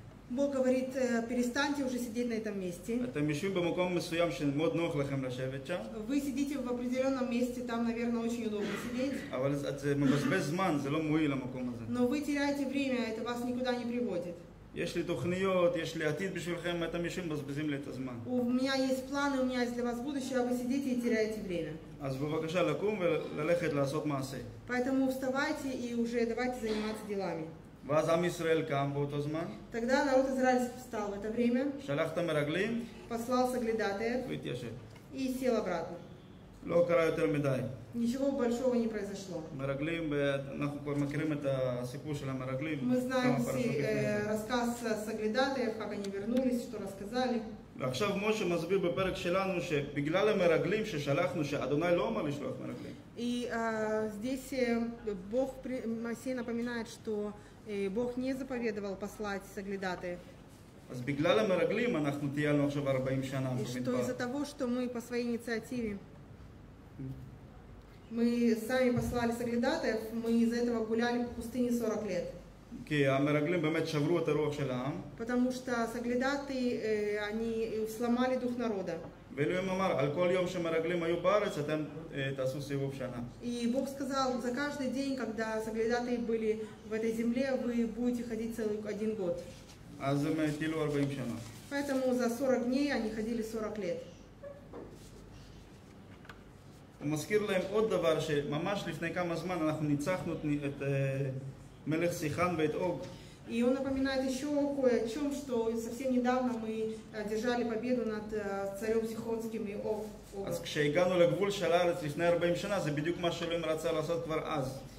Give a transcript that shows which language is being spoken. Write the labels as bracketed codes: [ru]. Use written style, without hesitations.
[ru] Бог говорит, перестаньте уже сидеть на этом месте. Вы сидите в определенном месте, там, наверное, очень удобно сидеть. Но вы теряете время, это вас никуда не приводит. [he] יש לי תוכניות, יש לי עתיד בשבילכם, אתם משום בזבזים לי את הזמן. [ru] У меня есть планы, у меня есть для вас будущее, а вы сидите и теряете время. [he] אז בבקשה לקום וללכת לעשות מעשה. [ru] Поэтому вставайте и уже давайте заниматься делами. [he] ואז עם ישראל קם באותו זמן. [ru] Тогда народ Израиль встал в это время. [he] שלחת מרגלים. [ru] Послал соглядатаев. [he] והתיישב. [ru] И сел обратно. [he] לא קרה יותר מדי. [ru] Ничего большого не произошло. [he] מרגלים, אנחנו כבר מכירים את הסיפור של המרגלים. [ru] Мы знаем рассказ соглядатаев, как они вернулись, что рассказали. [he] ועכשיו משה מסביר בפרק שלנו שבגלל המרגלים ששלחנו, שאדוני לא אמר לשלוח מרגלים. [ru] И здесь Бог, Моисей напоминает, что Бог не заповедовал послать соглядатаев. [he] אז בגלל המרגלים אנחנו טיילנו עכשיו 40 שנה. [ru] И что из-за того, что мы по своей инициативе мы сами послали соглядатаев, мы из-за этого гуляли по пустыне 40 лет. [he] המרגלים באמת שברו את הרוח של העם. [ru] Потому что соглядаты, они сломали дух народа. [he] ואלוהים אמר, על כל יום שמרגלים היו בארץ, אתם תעשו סיבוב שנה. [ru] И Бог сказал, за каждый день, когда соглядаты были в этой земле, вы будете ходить целый один год. [he] אז הם טיילו 40 שנה. [ru] Поэтому за 40 дней они ходили 40 лет. [he] הוא מזכיר להם עוד דבר שממש לפני כמה זמן אנחנו ניצחנו את מלך סיחן ואת אוג. [ru] И он напоминает еще кое о чем, что совсем недавно мы одержали победу над царем Сихонским и Ог. [he] אז כשהגענו לגבול של הארץ לפני 40 שנה, זה בדיוק מה שאלוהים רצה לעשות כבר אז.